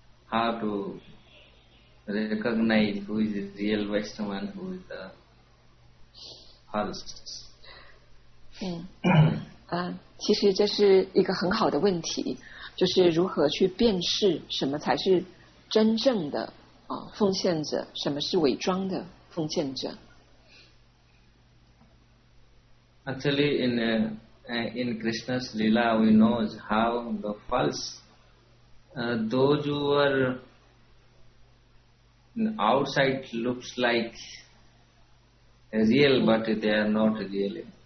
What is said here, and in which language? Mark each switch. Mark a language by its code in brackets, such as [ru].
[en] How to recognize who is the real Vaishnava and who is the false? [zh] 其实这是一个很好的问题，就是如何去辨识什么才是真正的奉献者，什么是伪装的奉献者。 [en] Actually, in Krishna's Leela, we know how the false, those who are outside looks like real, but they are not real.